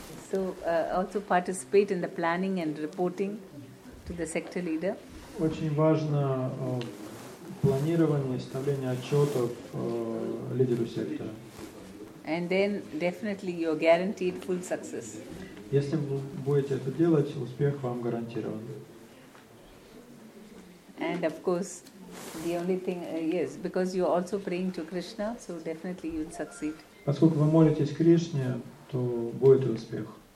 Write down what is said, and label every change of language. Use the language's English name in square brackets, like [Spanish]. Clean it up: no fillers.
[English] So, also participate in the planning and reporting to the sector leader. [Russian] Очень важно планирование и составление отчетов лидеру сектора. [English] And then definitely you're guaranteed full success. [Russian] Если вы будете это делать, успех вам гарантирован. [English] And of course, The only thing is because you're also praying to Krishna, so definitely you'll succeed. [Russian] Поскольку вы молитесь Кришне, то будет успех.